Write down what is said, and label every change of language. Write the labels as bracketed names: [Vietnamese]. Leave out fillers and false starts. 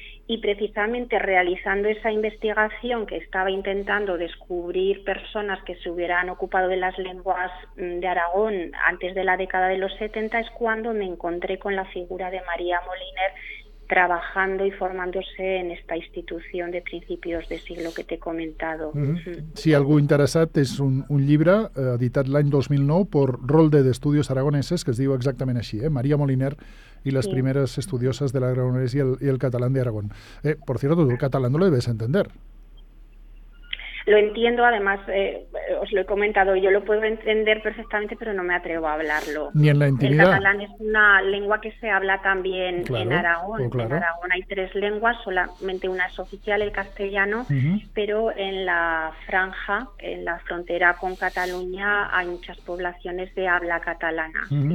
[Spanish] Y precisamente realizando esa investigación, que estaba intentando descubrir personas que se hubieran ocupado de las lenguas de Aragón antes de la década de los 70, es cuando me encontré con la figura de María Moliner trabajando y formándose en esta institución de principios de siglo que t'he comentado. [Catalan] Si algú interessat, és un llibre editat l'any 2009 per Rolde d'Estudios Aragoneses, que es diu exactament així, María Moliner i les primeres estudioses de l'aragonès i el català d'Aragón. [Spanish] Por cierto, el català no lo debes entender. Lo entiendo, además, os lo he comentado, yo lo puedo entender perfectamente, pero no me atrevo a hablarlo. Ni en la intimidad. El catalán es una lengua que se habla también en Aragón. Claro. En Aragón hay tres lenguas, solamente una es oficial, el castellano, pero en la franja, en la frontera con Cataluña, hay muchas poblaciones de habla catalana.